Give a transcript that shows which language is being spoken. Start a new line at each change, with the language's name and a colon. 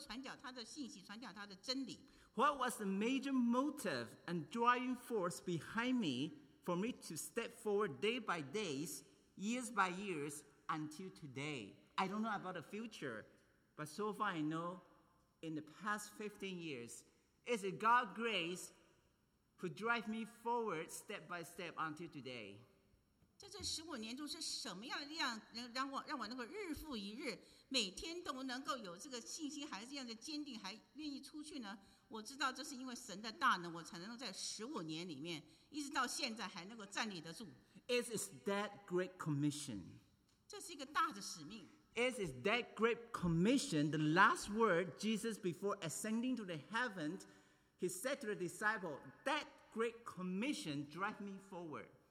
Chinese: 就是因为神的大能与神的恩典，我到今天还能够站在这里，能够传讲他的信息，传讲他的真理。
English: What was the major motive and driving force behind me for me to step forward day by day, years by years, until today? I don't know about the future, but so far I know in the past 15 years, is it God's grace who drives me forward step by step until today?
Chinese: 在这15年中是什么样的力量让我能够日复一日，每天都能够有这个信心，还是这样的坚定，还愿意出去呢？我知道这是因为神的大能，我才能够在15年里面，一直到现在还能够站立得住。
English: It is that great commission.
Chinese: 这是一个大的使命。
English: It is that great commission. The last word Jesus before ascending to the heavens, he said to the disciple, that great commission drive me forward.